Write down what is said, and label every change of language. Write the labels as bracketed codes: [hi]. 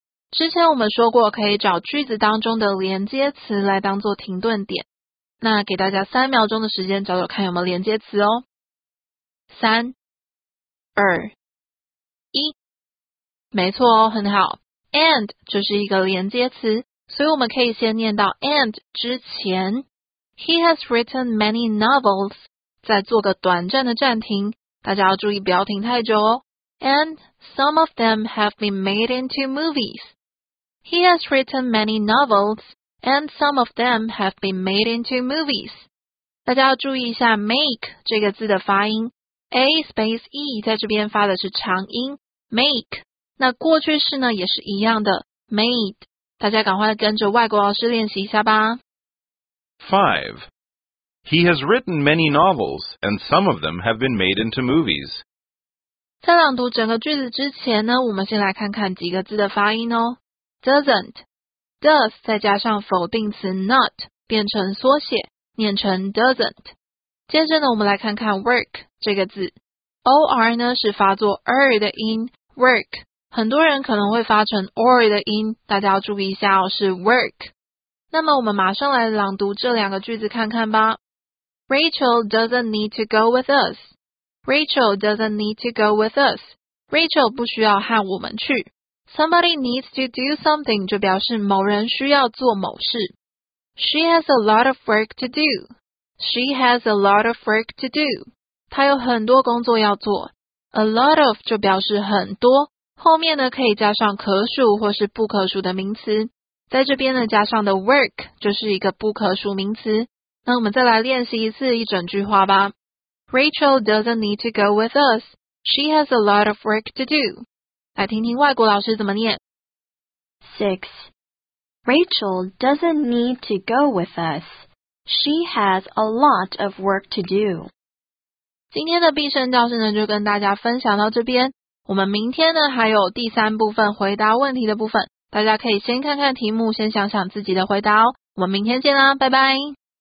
[zh] 之前我们说过，可以找句子当中的连接词来当做停顿点。那给大家三秒钟的时间，找找看有没有连接词哦。三、二、一，没错哦，很好。 And 就是一个连接词，所以我们可以先念到 and 之前。 [en] He has written many novels。 [zh] 再做个短暂的暂停，大家要注意不要停太久哦。 [en] And some of them have been made into movies。 He has written many novels。 And some of them have been made into movies. [zh] 大家要注意一下 make 这个字的发音。A space E 在这边发的是长音 make。那过去式呢也是一样的 made。大家赶快跟着外国老师练习一下吧。 5. [en] He has written many novels, and some of them have been made into movies. [zh] 在朗读整个句子之前呢，我们先来看看几个字的发音哦。Doesn't. Does 再加上否定词 not 变成缩写，念成 doesn't。接着呢，我们来看看 work 这个字， or 呢是发作 er 的音， work 很多人可能会发成 or 的音，大家要注意一下哦，是 work。那么我们马上来朗读这两个句子看看吧。 [en] Rachel doesn't need to go with us. Rachel doesn't need to go with us. [zh] Rachel 不需要和我们去。 [en] Somebody needs to do something [zh] 就表示某人需要做某事。 [en] She has a lot of work to do. She has a lot of work to do. [zh] 她有很多工作要做。 A lot of 就表示很多，后面呢可以加上可数或是不可数的名词。在这边呢加上的 work 就是一个不可数名词。那我们再来练习一次一整句话吧。 [en] Rachel doesn't need to go with us. She has a lot of work to do. [zh] 来听听外国老师怎么念。 6. [en] Rachel doesn't need to go with us. She has a lot of work to do. [zh] 今天的必胜教室呢就跟大家分享到这边。我们明天呢还有第三部分回答问题的部分。大家可以先看看题目，先想想自己的回答哦。我们明天见啦，拜拜。